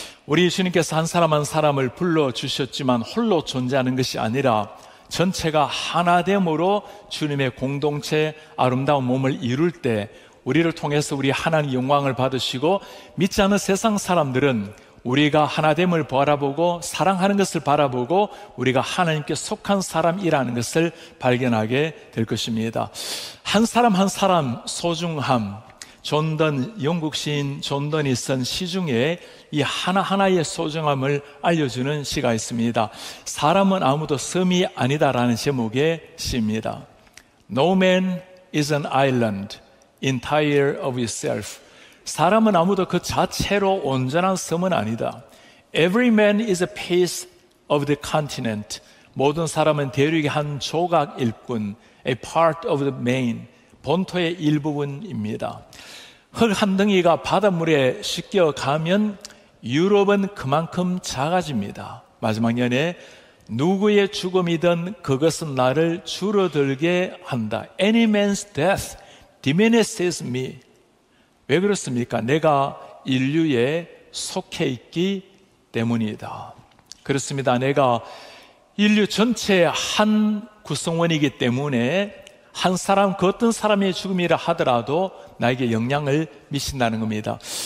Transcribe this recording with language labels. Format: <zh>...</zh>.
<ko>우리 예수님께서 한 사람 한 사람을 불러주셨지만 홀로 존재하는 것이 아니라 전체가 하나됨으로 주님의 공동체 아름다운 몸을 이룰 때 우리를 통해서 우리 하나님 영광을 받으시고 믿지 않는 세상 사람들은 우리가 하나됨을 바라보고 사랑하는 것을 바라보고 우리가 하나님께 속한 사람이라는 것을 발견하게 될 것입니다. 한 사람 한 사람 소중함. 존던, 영국 시인 존던이 쓴 시 중에 이 하나하나의 소중함을 알려주는 시가 있습니다. 사람은 아무도 섬이 아니다라는 제목의 시입니다.</ko> <en>No man is an island entire of itself.</en> <ko>사람은 아무도 그 자체로 온전한 섬은 아니다.</ko> <en>Every man is a piece of the continent.</en> <ko>모든 사람은 대륙의 한 조각일 뿐,</ko> <en>a part of the main,</en> <ko>본토의 일부분입니다. 흙 한 덩이가 바닷물에 씻겨가면 유럽은 그만큼 작아집니다. 마지막 년에 누구의 죽음이든 그것은 나를 줄어들게 한다.</ko> <en>Any man's death diminishes me.</en> <ko>왜 그렇습니까? 내가 인류에 속해 있기 때문이다. 그렇습니다. 내가 인류 전체의 한 구성원이기 때문에 한 사람, 그 어떤 사람의 죽음이라 하더라도 나에게 영향을 미친다는 겁니다.</ko>